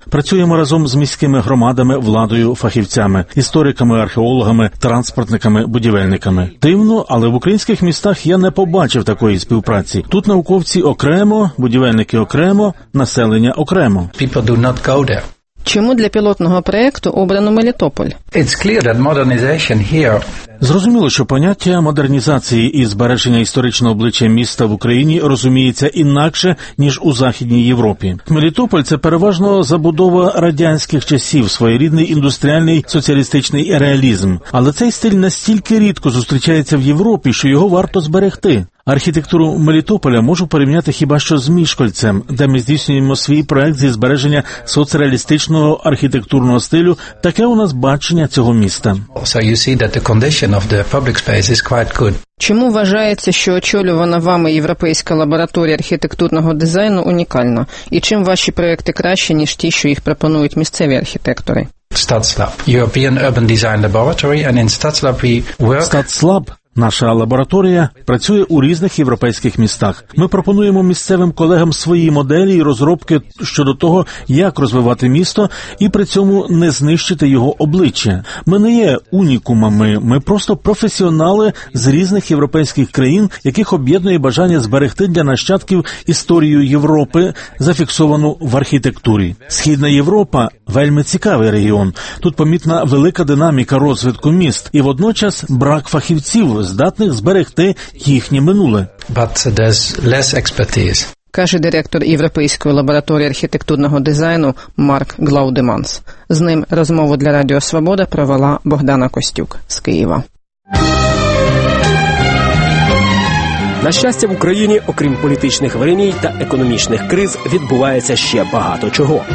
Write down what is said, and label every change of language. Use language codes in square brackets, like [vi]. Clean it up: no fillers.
[uk] Працюємо разом з міськими громадами, владою, фахівцями, істориками, археологами, транспортниками, будівельниками. Дивно, але в українських містах я не побачив такої співпраці. Тут науковці окремо, будівельники окремо, населення окремо. Чому для пілотного проєкту обрано Мелітополь? [en] It's clear that modernization here. [uk] Зрозуміло, що поняття модернізації і збереження історичного обличчя міста в Україні розуміється інакше, ніж у Західній Європі. Мелітополь – це переважно забудова радянських часів, своєрідний індустріальний соціалістичний реалізм. Але цей стиль настільки рідко зустрічається в Європі, що його варто зберегти. Архітектуру Мелітополя можу порівняти хіба що з Мішкольцем, де ми здійснюємо свій проект зі збереження соцреалістичного архітектурного стилю. Таке у нас бачення цього міста. [en] So you see that the condition of the public space is quite good. [uk] Чому вважається, що очолювана вами Європейська лабораторія архітектурного дизайну унікальна? І чим ваші проекти краще, ніж ті, що їх пропонують місцеві архітектори? [en] Statslab, European Urban Design Laboratory, and in Statslab we work... Statslab. [uk] Наша лабораторія працює у різних європейських містах. Ми пропонуємо місцевим колегам свої моделі і розробки щодо того, як розвивати місто і при цьому не знищити його обличчя. Ми не є унікумами, ми просто професіонали з різних європейських країн, яких об'єднує бажання зберегти для нащадків історію Європи, зафіксовану в архітектурі. Східна Європа – вельми цікавий регіон. Тут помітна велика динаміка розвитку міст і водночас брак фахівців – здатних зберегти їхнє минуле. [en] But there's less expertise. [uk] Каже директор Європейської лабораторії архітектурного дизайну Марк Глаудеманс. З ним розмову для Радіо Свобода провела Богдана Костюк з Києва. На щастя, в Україні, окрім політичних веремій та економічних криз, відбувається ще багато чого.